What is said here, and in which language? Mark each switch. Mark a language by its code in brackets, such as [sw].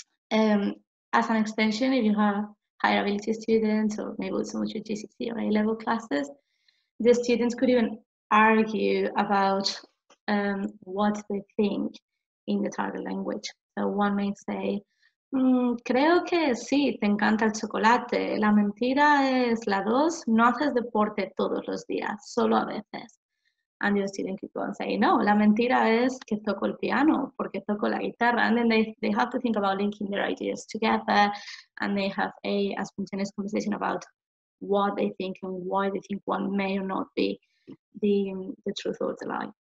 [en] As an extension, if you have higher ability students, or maybe with some of your GCC or A-level classes, the students could even argue about what they think in the target language. So one may say, [es] creo que sí, te encanta el chocolate. La mentira es la 2, no haces deporte todos los días, solo a veces. [en] and your student could go and say, [es] no, la mentira es que toco el piano, porque toco la guitarra. [en] And then they have to think about linking their ideas together, and they have a spontaneous conversation about what they think and why they think one may or not be the truth or the lie.